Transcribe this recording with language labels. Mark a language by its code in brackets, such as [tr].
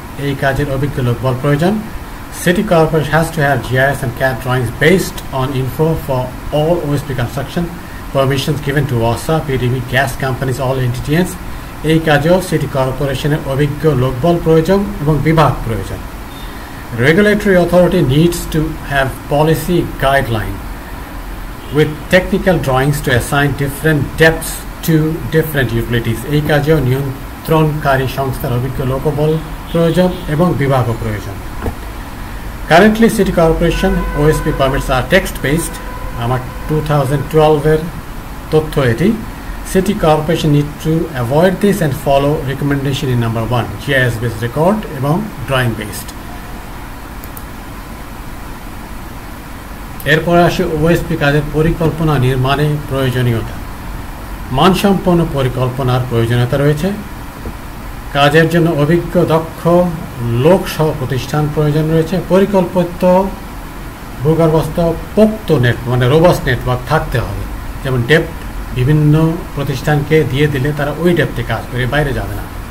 [bn] এই কাজের অভিজ্ঞ লোকবল প্রয়োজন। [en] City corporation has to have GIS and CAD drawings based on info for all OSP construction permissions given to Wasa PDB gas companies all এন্টিটিএস। [bn] এই কাজেও city কর্পোরেশনের অভিজ্ঞ লোকবল প্রয়োজন এবং বিভাগ প্রয়োজন। [en] Regulatory authority needs to have policy guideline with technical drawings to assign different depths to different utilities. [bn] এই কাজেও নিয়ন্ত্রণকারী সংস্থার অভিজ্ঞ লোকবল প্রয়োজন এবং বিভাগও প্রয়োজন। [en] Currently city corporation OSP permits are text based. [bn] আমার 2012 এর তথ্য এটি। [en] City corporation need to avoid this and follow recommendation in number 1 GIS based record এবং drawing based. [bn] এরপরে আসে OSP কাজের পরিকল্পনা নির্মাণে প্রয়োজনীয়তা। মানসম্পন্ন পরিকল্পনার প্রয়োজনীয়তা রয়েছে। কাজের জন্য অভিজ্ঞ দক্ষ লোকসহ প্রতিষ্ঠান প্রয়োজন রয়েছে। পরিকল্পিত ভূগর্ভস্থ পোক্ত নেট মানে রোবাস নেটওয়ার্ক থাকতে হবে, যেমন ডেপ বিভিন্ন প্রতিষ্ঠানকে দিয়ে দিলে তারা ওই ডেপতে কাজ করে বাইরে যাবে না।